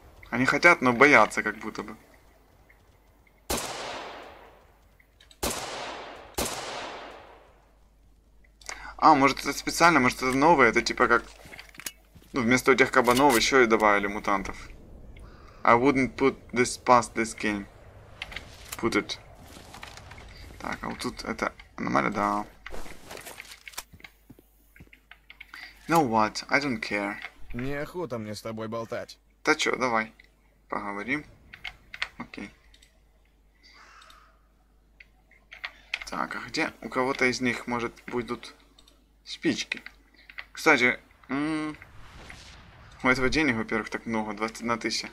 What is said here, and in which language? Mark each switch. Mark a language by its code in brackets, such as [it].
[ru] Они хотят, но боятся как будто бы. А, может это специально, может это новое, это типа как... Ну, вместо этих кабанов еще и добавили мутантов. [en] I wouldn't put this past this game. [ru] Put it. Так, а вот тут это... Аномалия, да. [en] You know what, I don't care. [ru] Неохота мне с тобой болтать. Да чё, давай. Поговорим. Окей. Так, а где? У кого-то из них, может, будут... Спички. Кстати, у этого денег, во-первых, так много, 21 тысяча.